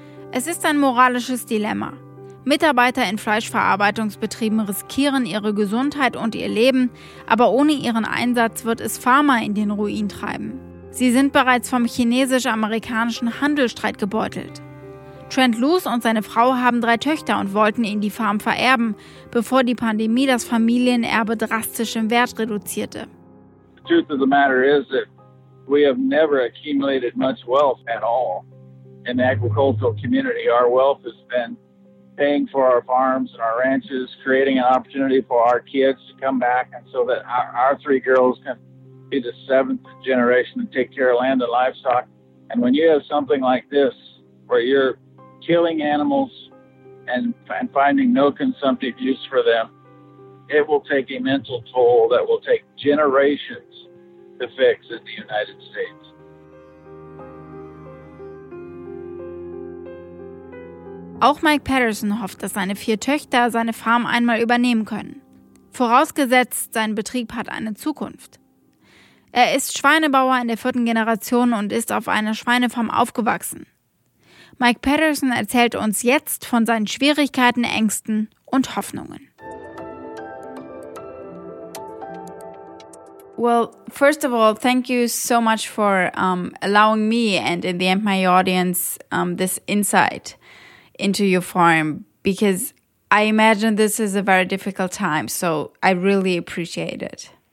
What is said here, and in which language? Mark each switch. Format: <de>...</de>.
<de>Es ist ein moralisches Dilemma. Mitarbeiter in Fleischverarbeitungsbetrieben riskieren ihre Gesundheit und ihr Leben, aber ohne ihren Einsatz wird es Pharma in den Ruin treiben. Sie sind bereits vom chinesisch-amerikanischen Handelsstreit gebeutelt. Trent Luce und seine Frau haben 3 Töchter und wollten ihnen die Farm vererben, bevor die Pandemie das Familienerbe drastisch im Wert reduzierte.</de> <en>The truth of the matter is that we have never accumulated much wealth at all in the agricultural community. Our wealth has been paying for our farms and our ranches, creating an opportunity for our kids to come back, and so that our 3 girls can be the 7th generation to take care of land and livestock. And when you have something like this, where you're killing animals and finding no consumptive use for them, it will take a mental toll that will take generations to fix in the United States.</en> <de>Auch Mike Patterson hofft, dass seine 4 Töchter seine Farm einmal übernehmen können. Vorausgesetzt, sein Betrieb hat eine Zukunft. Er ist Schweinebauer in der 4. Generation und ist auf einer Schweinefarm aufgewachsen. Mike Patterson erzählt uns jetzt von seinen Schwierigkeiten, Ängsten und Hoffnungen.</de> <en>Well, first of all, thank you so much for allowing me and in the end my audience this insight into your farm, because I imagine this is a very difficult time, so I really appreciate it.</en>